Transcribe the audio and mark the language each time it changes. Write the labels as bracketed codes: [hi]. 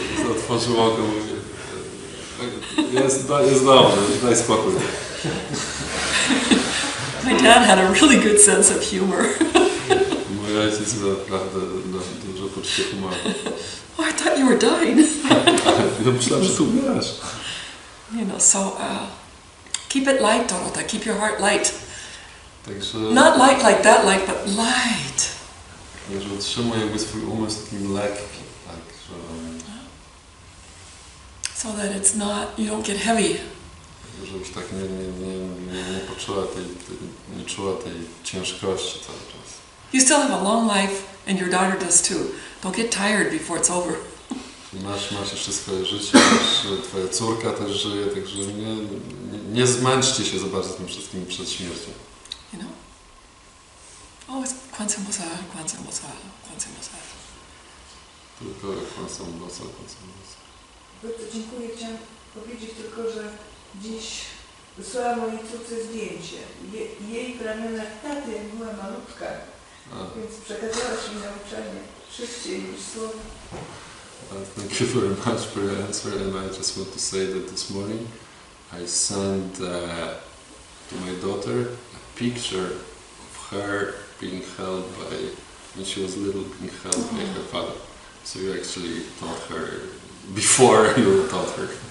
[pl] Otworzył oko, mówi, jest dobrze, daj spokój. [en] My dad had a really good sense of humor. [pl] Mój ojciec naprawdę dużo poczucia humoru. [en] Oh, I thought you were dying. [pl] Ja myślałem, że ty umierasz. [en] You know, so keep it light, Dorota. Keep your heart light. [pl] Także, [en] not light like that light, but light. [pl] Także utrzymuj jakby swój umysł takim lekki, tak, że... [en] So that it's not, you don't get heavy. [pl] Żebyś tak nie poczuła nie czuła tej ciężkości cały czas. [en] You still have a long life, and your daughter does too. Don't get tired before it's over. [pl] Masz jeszcze swoje życie, twoja córka też żyje, także nie zmęczcie się za bardzo tym wszystkim przed śmiercią. [en] You know? Oh, it's Kwanzaa Bosa, Kwanzaa Bosa, Kwanzaa Bosa. [pl] Tylko Kwanzaa Bosa, Kwanzaa Bosa. Bardzo dziękuję. Chciałam powiedzieć tylko, że dziś wysłałam mojej córce zdjęcie. Jej w ramionach taty, jak była malutka, więc przekazała się mi na uczelnię szybciej niż słowa. [en] Thank you very much for your answer, and I just want to say that this morning I sent to my daughter a picture of her being held by, when she was little, being held by her father. So you actually taught her before you taught her.